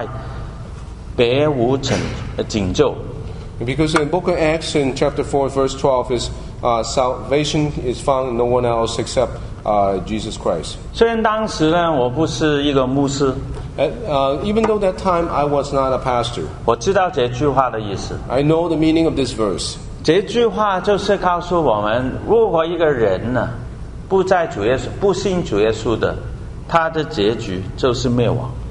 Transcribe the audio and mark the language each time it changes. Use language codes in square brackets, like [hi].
[zh] 那么使徒行传第四章十二节里面，简直讲，就是除他以外，就是除了耶稣以外，别无拯救。 [en] Because in the book of Acts in chapter 4 verse 12 is salvation is found in no one else except Jesus Christ. [zh] 虽然当时呢，我不是一个牧师。 [en] Even though that time I was not a pastor, [zh] 我知道这句话的意思。 [en] I know the meaning of this verse. [zh] 这句话就是告诉我们，如果一个人呢，不信主耶稣的，他的结局就是灭亡。